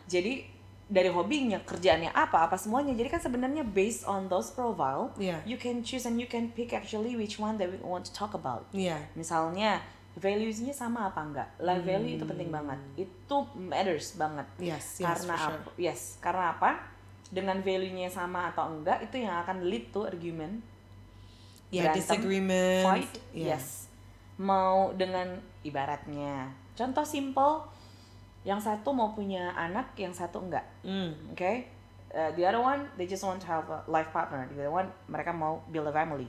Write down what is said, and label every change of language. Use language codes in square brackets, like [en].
[id] Jadi dari hobinya, kerjaannya apa, apa semuanya. Jadi kan sebenarnya [en] based on those profile, yeah, you can choose and you can pick actually which one that we want to talk about. Yeah. [id] Misalnya values-nya sama apa enggak? Life value itu penting banget. Itu matters banget. [en] Yes, yes, karena for sure. Yes, karena apa? Dengan value-nya sama atau enggak, itu yang akan lead to argument. Ya, yeah, disagreement. Fight, yeah, yes. [id] Mau dengan ibaratnya. Contoh simple, yang satu mau punya anak, yang satu enggak. Mm. [en] Okay? The other one, they just want to have a life partner. The other one, [id] mereka mau [en] build a family.